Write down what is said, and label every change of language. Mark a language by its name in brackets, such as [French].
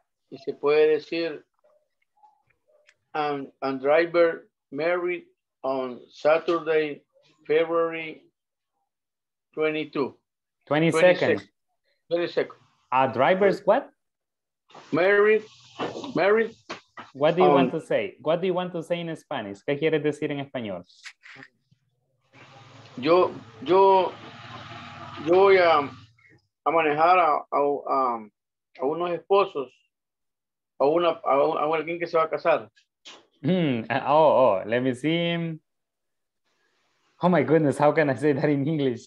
[Spanish] Y se puede decir, [English] and driver married on Saturday, February 22nd. A driver's what? Married. What do you want to say? What do you want to say in Spanish? [Spanish] ¿Qué quieres decir en español? Yo voy a manejar a unos esposos, a alguien que se va a casar. [English] Let me see. Oh my goodness, how can I say that in English?